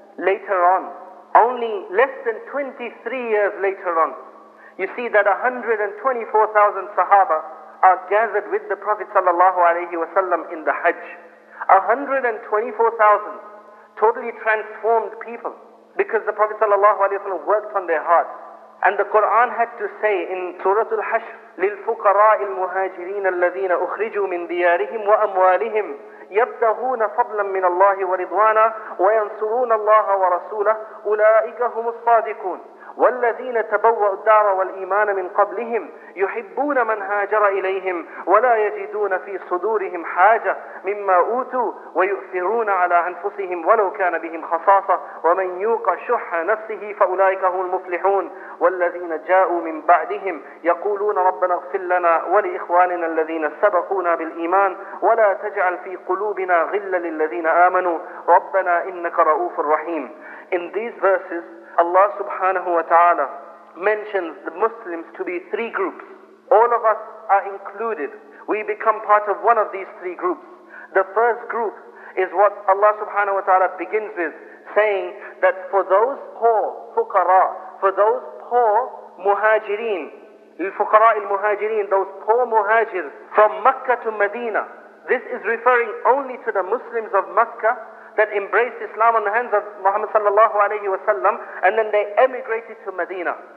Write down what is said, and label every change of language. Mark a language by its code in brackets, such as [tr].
[en] Later on, only less than 23 years later on, you see that 124,000 sahaba are gathered with the Prophet sallallahu alayhi wa sallam in the Hajj. 124,000 totally transformed people, because the Prophet sallallahu alayhi wa sallam worked on their hearts. And the Quran had to say in Surah Al-Hashr, [ar] لِلْفُقَرَاءِ الْمُهَاجِرِينَ الَّذِينَ أُخْرِجُوا مِنْ دِيَارِهِمْ وَأَمْوَالِهِمْ يَبْتَغُونَ فَضْلًا مِنَ اللَّهِ وَرِضْوَانًا وَيَنْصُرُونَ اللَّهَ وَرَسُولَهُ أُولَئِكَ هُمُ الصَّادِقُونَ والذين تبوأوا الدار والإيمان من قبلهم يحبون من هاجر إليهم ولا يجدون في صدورهم حاجة مما أوتوا ويؤثرون على أنفسهم ولو كان بهم خصاصة ومن يوق شح نفسه فأولئك هم المفلحون والذين جاءوا من بعدهم يقولون ربنا اغفر لنا ولإخواننا الذين سبقونا بالإيمان ولا تجعل في قلوبنا غلا للذين آمنوا ربنا إنك رؤوف رحيم. [en] In these verses, Allah subhanahu wa ta'ala mentions the Muslims to be three groups. All of us are included. We become part of one of these three groups. The first group is what Allah subhanahu wa ta'ala begins with, saying that for those poor, fuqara, for those poor muhajireen, al-fuqara al-muhajireen, those poor muhajirs from Makkah to Medina, this is referring only to the Muslims of Makkah that embraced Islam on the hands of Muhammad sallallahu alayhi wa sallam, and then they emigrated to Medina.